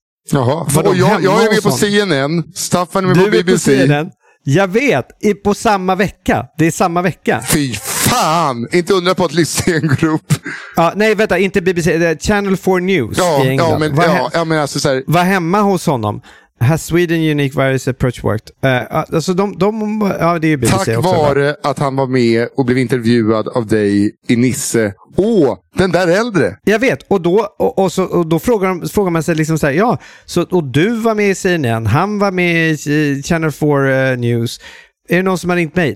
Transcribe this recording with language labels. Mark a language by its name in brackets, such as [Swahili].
[Swedish] Jaha, och jag är med på CNN. Staffan är med på BBC. CNN. Jag vet, på samma vecka. Det är samma vecka. Fy fan, inte undra på att Lyssen grupp. Ja, nej, vänta, inte BBC, Channel 4 News. Ja, ja, men jag menar alltså, så här, var hemma hos honom. [English] Has Sweden unique virus approach worked? [Swedish] Alltså de ja, det är BBC. Tack också, vare va? Att han var med och blev intervjuad av dig i Nisse. Åh, den där äldre. Jag vet, och då frågar man sig liksom så här, ja, så, och du var med i CNN, han var med i Channel 4 News. Är det någon som har ringt mig?